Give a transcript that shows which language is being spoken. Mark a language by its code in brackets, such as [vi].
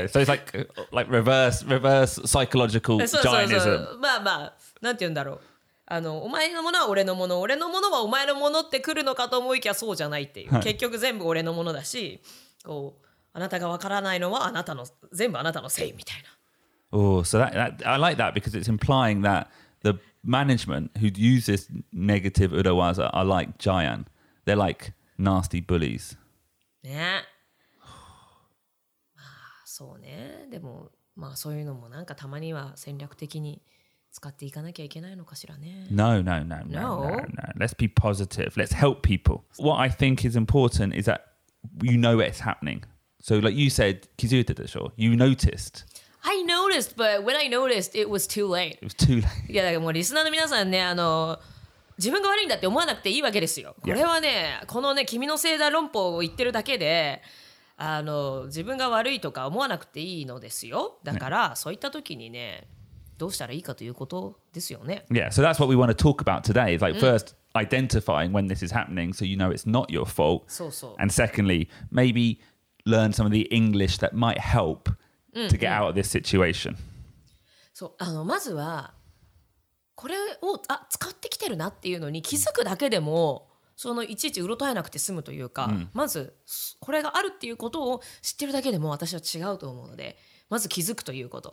[en] So it's like reverse psychological giantism. [ja] まあまあ、なんて言うんだろう。あの、お前のものは俺のもの、俺のものはお前のものって来るのかと思いきやそうじゃないっていう。結局全部俺のものだし、こう、あなたがわからないのはあなたの、全部あなたのせいみたいな。 [en] Oh, so I like that because it's implying that the... Management who use this negative urawaza are like Jian. They're like nasty bullies. [ja] Yeah. まあそうね。でもまあそういうのもなんかたまには戦略的に使っていかなきゃいけないのかしらね。 [en] No. Let's be positive. Let's help people. What I think is important is that you know it's happening. So like you said, [ja] 気づいてたでしょ? [en] You noticed. I noticed, but when I noticed, it was too late. It was too late. [ja] いやだからもうリスナーの皆さんね、あの自分が悪いんだって思わなくていいわけですよ。これはね、このね君のせいだ論法を言ってるだけで、あの自分が悪いとか思わなくていいのですよ。だから、yeah. そういった時にね、どうしたらいいかということですよね。 [en] Yeah, so that's what we want to talk about today. It's like first identifying when this is happening, so you know it's not your fault. [ja] そうそう。 [en] And secondly, maybe learn some of the English that might help. To get out of this situation. [ja] そう、あの、まずはこれを使ってきてるなっていうのに気づくだけでも、そのいちいちうろたえなくて済むというか、まずこれがあるっていうことを知ってるだけでも私は違うと思うので、まず気づくということ。